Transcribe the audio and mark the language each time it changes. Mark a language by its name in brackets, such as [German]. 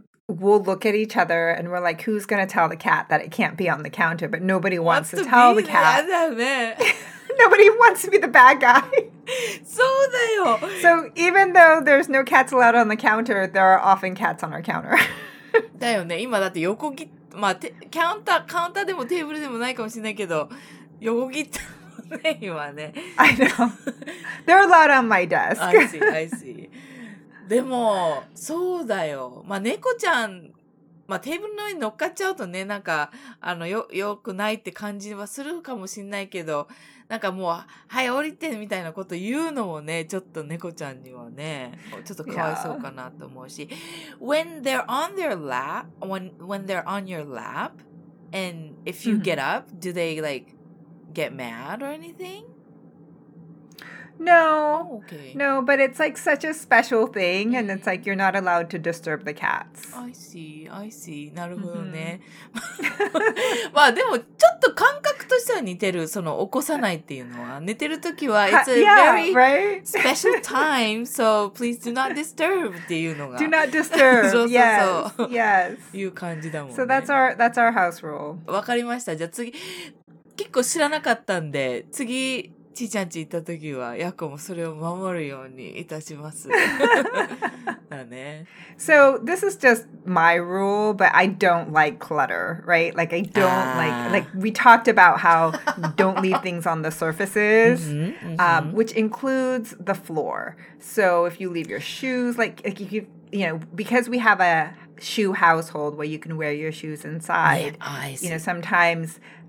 [English] We'll look at each other and we're like, who's going to tell the cat that it can't be on the counter? But nobody wants to tell the cat. Nobody wants to be the bad guy. [Japanese] そうだよ。 [English] So even though there's no cats allowed on the counter, there are often cats on our counter. [Japanese] だよね。今だって横切ってまあ、カウンターでもテーブルでもないかもしれないけど、横切ったね、今ね。 [English] I know. There are a lot on my desk. I see. [Japanese] でも、そうだよ。まあ、猫ちゃん、まあ、テーブルの上に乗っかっちゃうとね、なんか、よくないって感じはするかもしれないけど、なんかもう、はい、降りてみたいなこと言うのもね、ちょっと猫ちゃんにはね、ちょっとかわいそうかなと思うし。 [English] Yeah. When they're on their lap, when they're on your lap, and if you、mm-hmm. get up, do they like get mad or anything? No,、 oh, okay. no, but it's like such a special thing, and it's like you're not allowed to disturb the cats. I see. [Japanese] なるほどね。 [English] Mm-hmm. [Japanese] まあでもちょっと感覚としては似てる、その起こさないっていうのは。寝てるときは、 [English] it's a yeah, very、 right? special time, so please do not disturb [Japanese] っていうのが。 [English] Do not disturb, [Japanese] そうそうそう [English] yes, yes. [Japanese] いう感じだもんね。 [English] So that's our house rule. [Japanese] わかりました。じゃあ次、結構知らなかったんで、次、ちーちゃんち行った時は、ヤコもそれを守るようにいたします。だね。 [English] So, this is just my rule, but I don't like clutter, right? Like, I don't like, like, we talked about how don't leave things on the surfaces, which includes the floor. So, if you leave your shoes, like if you, you know, because we have a shoe household where you can wear your shoes inside, you know, sometimes...